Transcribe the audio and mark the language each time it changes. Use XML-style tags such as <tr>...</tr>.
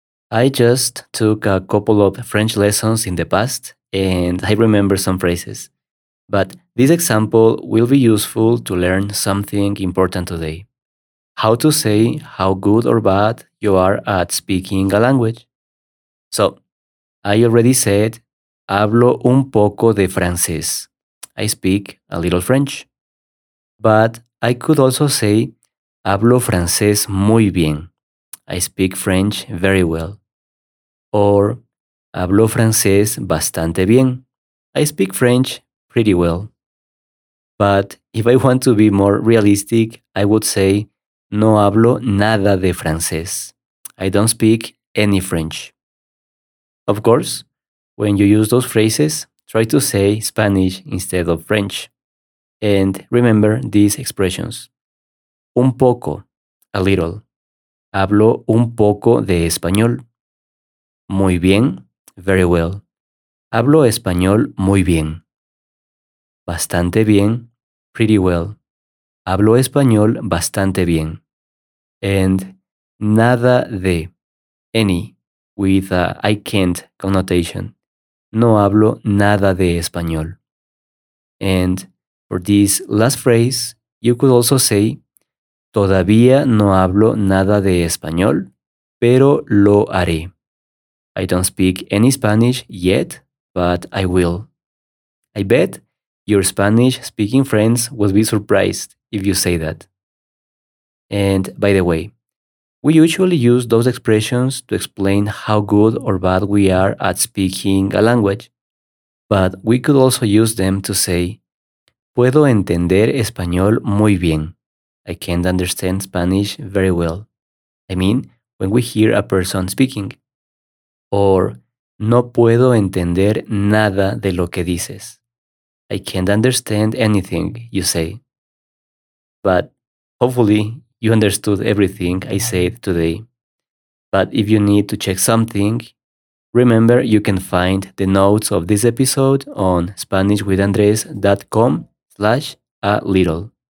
<en>I just took a couple of French lessons in the past and I remember some phrases. But this example will be useful to learn something important today. How to say how good or bad you are at speaking a language. So, I already said,</en> <es>hablo un poco de francés.</es> <en>I speak a little French. But I could also say,</en> <es>hablo francés muy bien.</es> <en>I speak French very well.</en> <es>Or, hablo francés bastante bien.</es> <en>I speak French pretty well. But if I want to be more realistic, I would say,</en> <es>no hablo nada de francés.</es> <en>I don't speak any French. Of course, when you use those phrases, try to say Spanish instead of French. And remember these expressions.</en> <es>Un poco,</es> <en>a little.</en> <es>Hablo un poco de español. Muy bien,</es> <en>very well.</en> <es>Hablo español muy bien. Bastante bien,</es> <en>pretty well.</en> <es>Hablo español bastante bien.</es> <en>And nada de, any, with a I can't connotation.</en> <es>No hablo nada de español.</es> <en>And for this last phrase, you could also say,</en> <es>todavía no hablo nada de español, pero lo haré.</es> <en>I don't speak any Spanish yet, but I will. I bet your Spanish-speaking friends would be surprised if you say that. And by the way, we usually use those expressions to explain how good or bad we are at speaking a language. But we could also use them to say,</en> <es>puedo entender español muy bien.</es> <en>I can't understand Spanish very well. I mean, when we hear a person speaking.</en> <es>Or, no puedo entender nada de lo que dices.</es> <en>I can't understand anything you say. But hopefully, you understood everything I said today. But if you need to check something, remember you can find the notes of this episode on SpanishWithAndres.com/a little.</en>